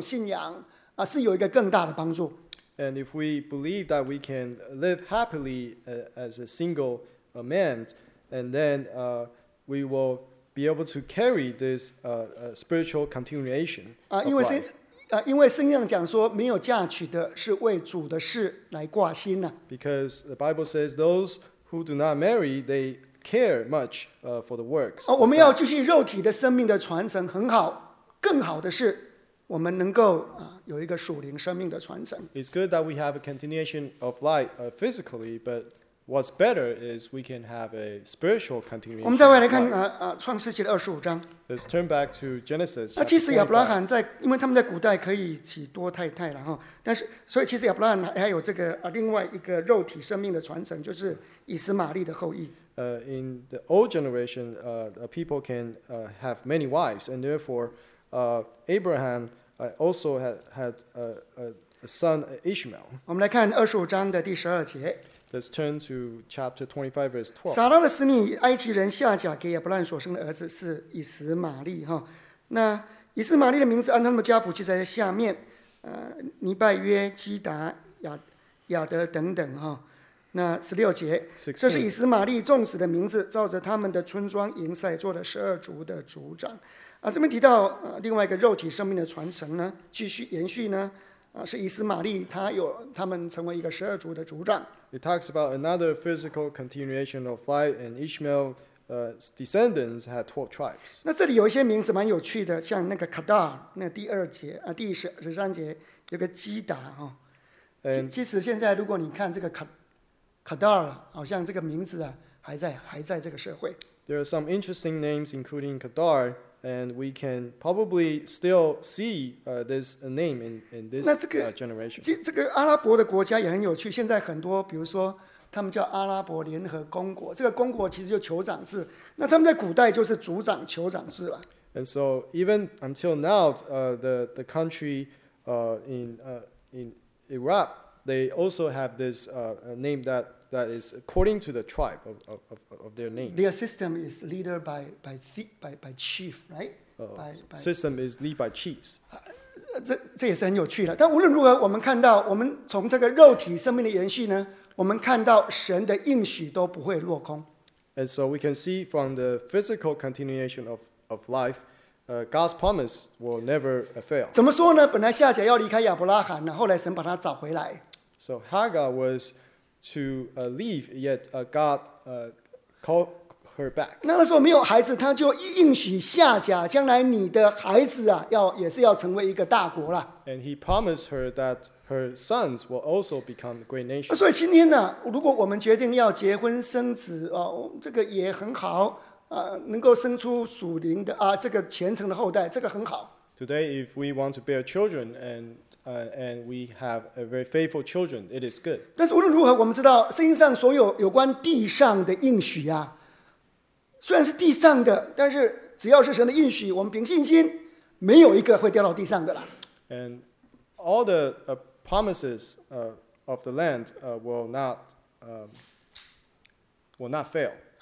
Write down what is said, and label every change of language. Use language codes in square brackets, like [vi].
[zh] 他们若常像我就好了。所以其实如果我们觉得可以一个人过生活，跟保罗一样来服侍神，这反而是一种对属灵生命的延续，在神的家的这种信仰，是有一个更大的帮助。 [en] And if we believe that we can live happily as a single man, and then we will be able to carry this spiritual continuation of life. [zh] 因为圣经讲说没有嫁娶的是为主的事来挂心啊。 [en] Because the Bible says those who do not marry, they care much for the works. [zh] 我们要继续肉体的生命的传承很好，更好的是我们能够 有一个属灵生命的传承。 [en] It's good that we have a continuation of life physically, but What's better is we can have a spiritual continuation. [zh] 我们再回来看创世纪的二十五章。 [en] Let's turn back to Genesis. [zh] 其实亚伯拉罕在，因为他们在古代可以娶多太太了哈，但是所以其实亚伯拉罕还有这个另外一个肉体生命的传承，就是以斯玛利的后裔。 [en] In the old generation, people can have many wives, and therefore, Abraham also had a son Ishmael. [zh] 我们来看二十五章的第十二节。 [en] Let's turn to chapter 25, verse 12. [zh] 撒拉的使女埃及人夏甲给亚伯兰所生的儿子是以实玛利哈。那以实玛利的名字按他们家谱记载在下面，尼拜约、基达、亚德等等哈。那十六节，这是以实玛利众子的名字，照着他们的村庄营塞做的十二族的族长。啊，这边提到另外一个肉体生命的传承呢，继续延续呢，是以实玛利他有他们成为一个十二族的族长。 [en] It talks about another physical continuation of life, and Ishmael's descendants had 12 tribes. [zh] 那这里有一些名字蛮有趣的，像那个 Kadar， 那第二节啊，第十三节有个基达哈。其实现在如果你看这个 Kadar， 好像这个名字啊还在这个社会。 [en] There are some interesting names, including Kadar, and we can probably still see this name in this generation. [zh] 这个阿拉伯的国家也很有趣，现在很多比如说他们叫阿拉伯联合公国，这个公国其实就酋长制，那他们在古代就是族长酋长制了。 [en] And so even until now, the country in Iraq, they also have this name that is according to the tribe of their name. Their system is leader by chief, right? System is lead by chiefs. [zh] 这也是很有趣的。但无论如何，我们看到，我们从这个肉体生命的延续呢，我们看到神的应许都不会落空。 [en] And so we can see from the physical continuation of life, God's promise will never fail. [zh] 怎么说呢？本来夏甲要离开亚伯拉罕，后来神把他找回来。 [en] So Hagar was to leave, yet God called her back. [zh] 那个时候没有孩子，他就应许夏甲，将来你的孩子啊，也是要成为一个大国了。 [en] And he promised her that her sons will also become a great nation. [zh] 所以今天呢，如果我们决定要结婚生子啊，这个也很好啊，能够生出属灵的啊，这个虔诚的后代，这个很好。 [en] Today, if we want to bear children and we have a very faithful children, it is good. [zh] 但是无论如何，我们知道圣经上所有有关地上的应许啊，虽然是地上的，但是只要是神的应许，我们凭信心，没有一个会掉到地上的啦。 [en] And all the promises of the land will not fail.